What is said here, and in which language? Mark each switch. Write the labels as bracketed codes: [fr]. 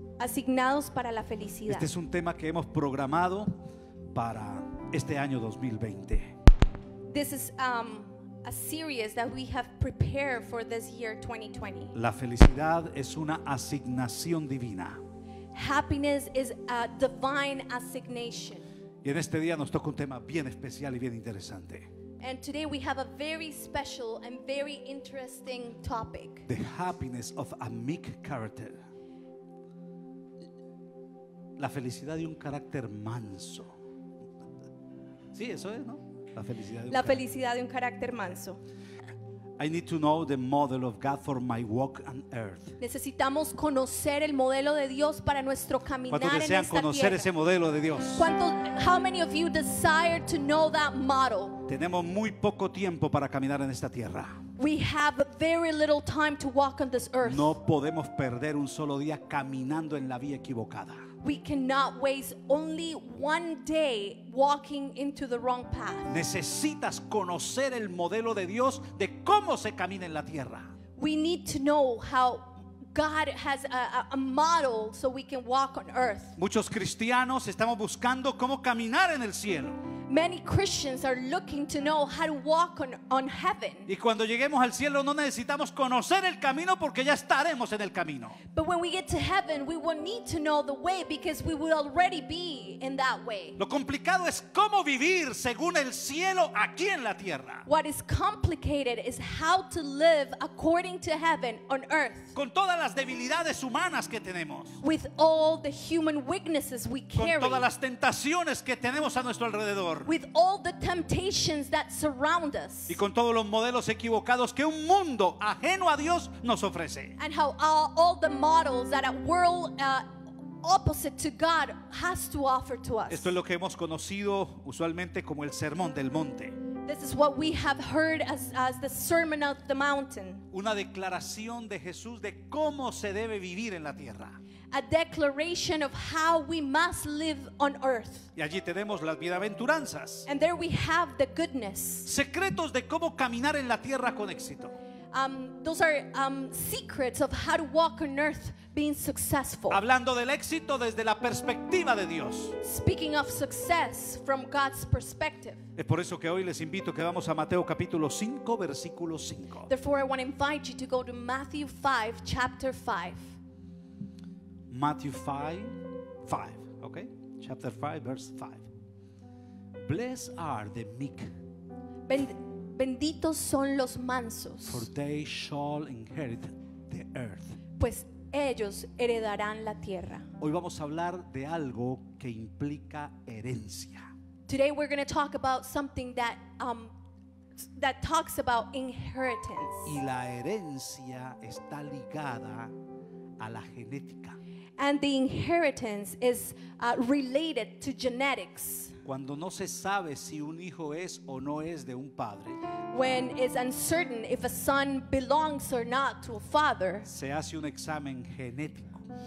[es] Asignados para la felicidad. Este es un tema que hemos programado para este año 2020. [en] This is a series that we have prepared for this year 2020. [es] La felicidad es una asignación divina. [en] Happiness is a divine assignation. [es] Y en este día nos toca un tema bien especial y bien interesante. [en] And today we have a very special and very interesting topic. The happiness of a meek character. [es] La felicidad de un carácter manso. Sí, eso es, ¿no? La felicidad de un, la felicidad de un carácter manso. [en] I need to know the model of God for my walk on earth. [es] Necesitamos conocer el modelo de Dios para nuestro caminar en esta tierra. ¿Cuántos desean conocer ese modelo de Dios? [en] How many of you desire to know that model? [es] Tenemos muy poco tiempo para caminar en esta tierra. [en] We have very little time to walk on this earth. [es] No podemos perder un solo día caminando en la vía equivocada. [en] We cannot waste only one day walking into the wrong path. [es] Necesitas conocer el modelo de Dios de cómo se camina en la tierra. [en] We need to know how God has a model so we can walk on earth. [es] Muchos cristianos estamos buscando cómo caminar en el cielo. [en] Many Christians are looking to know how to walk on heaven. [es] Y cuando lleguemos al cielo no necesitamos conocer el camino porque ya estaremos en el camino. [en] But when we get to heaven, we won't need to know the way because we will already be in that way. [es] Lo complicado es cómo vivir según el cielo aquí en la tierra. [en] What is complicated is how to live according to heaven on earth. [es] Con todas las debilidades humanas que tenemos. [en] With all the human weaknesses we carry. [es] Con todas las tentaciones que tenemos a nuestro alrededor. [en] With all the temptations that surround us. [es] Y con todos los modelos equivocados que un mundo ajeno a Dios nos ofrece. [en] And how all the models that a world opposite to God has to offer to us. [es] Esto es lo que hemos conocido usualmente como el Sermón del Monte. [en] This is what we have heard as the Sermon of the Mountain. [es] Una declaración de Jesús de cómo se debe vivir en la tierra. [en] A declaration of how we must live on earth. [es] Y allí tenemos las bienaventuranzas. [en] And there we have the goodness. [es] Secretos de cómo caminar en la tierra con éxito. [en] Those are secrets of how to walk on earth being successful. [es] Hablando del éxito desde la perspectiva de Dios. [en] Speaking of success from God's perspective. [es] Es por eso que hoy les invito que vamos a Mateo capítulo 5 versículo 5. [en] Therefore I want to invite you to go to Matthew 5 chapter 5. Matthew 5:5, okay? Chapter 5, verse 5. Blessed are the meek. [es] Benditos son los mansos. [en] For they shall inherit the earth. [es] Pues ellos heredarán la tierra. Hoy vamos a hablar de algo que implica herencia. [en] Today we're going to talk about something that that talks about inheritance. [es] Y la herencia está ligada a la genética. [en] And the inheritance is related to genetics. [es] Cuando no se sabe si un hijo es o no es de un padre. [en] When it's uncertain if a son belongs or not to a father. [es] Se hace un examen genético.